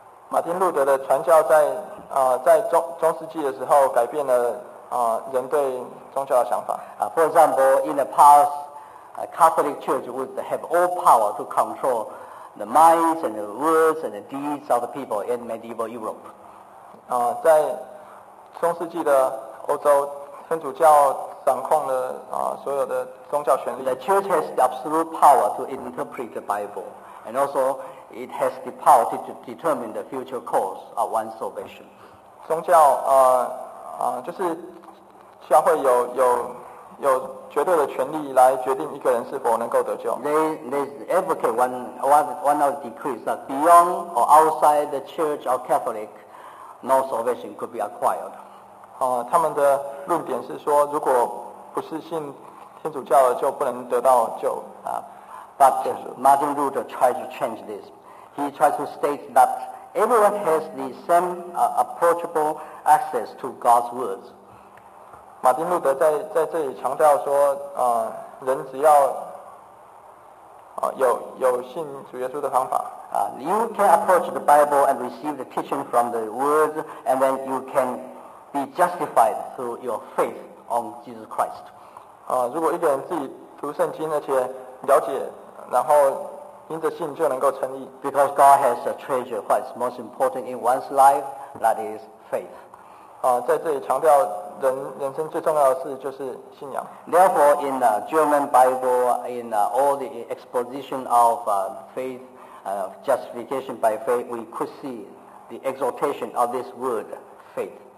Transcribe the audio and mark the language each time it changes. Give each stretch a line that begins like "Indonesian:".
Chinese: Martin Luther 的传教在中世纪的时候改变了人对宗教的想法。
English: For example, in the past, Catholic Church would have all power to control the minds and the words and the deeds of the people in medieval Europe.
Chinese: 在中世纪的欧洲天主教掌控了所有的宗教权力。
English: The church has the absolute power to interpret the Bible, and also it has the power to determine the future course of one's salvation.
Chinese: 宗教就是教会有绝对的权力来决定一个人是否能够得救。
English: They advocate one of the decrees that beyond or outside the church or Catholic, no salvation could be acquired.
Chinese: 他们的论点是说，如果不是信天主教的，就不能得到救。
English: But Martin Luther tried to change this. He tried to state that everyone has the same approachable access to God's words.
Chinese: 马丁路德在这里强调说，人只要有信主耶稣的方法，
English: You can approach the Bible and receive the teaching from the words, and then you can be justified through your faith on Jesus Christ.
Chinese: 如果一个人自己读圣经，而且了解，然后因着信就能够称义。
English: Because God has a treasure, what is most important in one's life, that is faith.
Chinese: 在这里强调。人生最重要的事就是信仰。
English: Therefore, in the German Bible, in all the exposition of faith, justification by faith, we could see the exaltation of this word, faith.